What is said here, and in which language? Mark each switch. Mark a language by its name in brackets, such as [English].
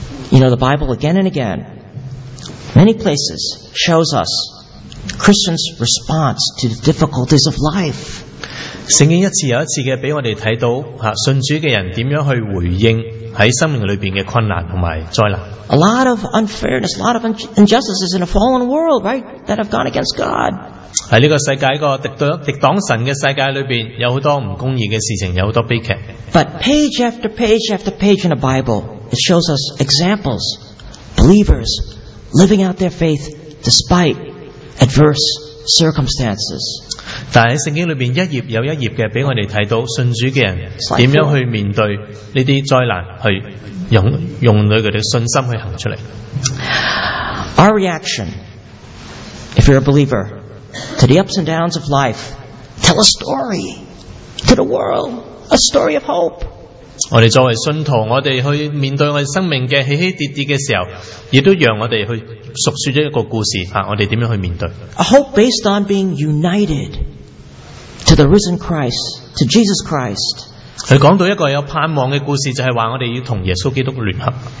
[English] You know the Bible again and again, many places shows us Christian's response to the difficulties of life. [Chinese] 圣经一次又一次地给我们看到信主的人怎样去回应在生命里面的困难和灾难。 [English] A lot of unfairness, a lot of injustices in a fallen world, right, that have gone against God. [Chinese] 在这个世界，一个敌挡神的世界里面，有很多不公义的事情，有很多悲剧。 [English] But page after page after page in the Bible, it shows us examples, believers living out their faith despite adverse circumstances. [Chinese] 但在圣经里面一页又一页的给我们看到信主的人怎样去面对这些灾难，去用他们的信心去行出来。 [English] Our reaction, if you're a believer, to the ups and downs of life, tell a story to the world, a story of hope. [Chinese] 我们作为信徒，我们去面对我们生命的起起跌跌的时候，也都让我们去述说一个故事，我们怎样去面对。 [English] A hope based on being unitedTo the risen Christ, to Jesus Christ. [Chinese] 他讲到一个有盼望的故事，就是说我们要同耶稣基督联合。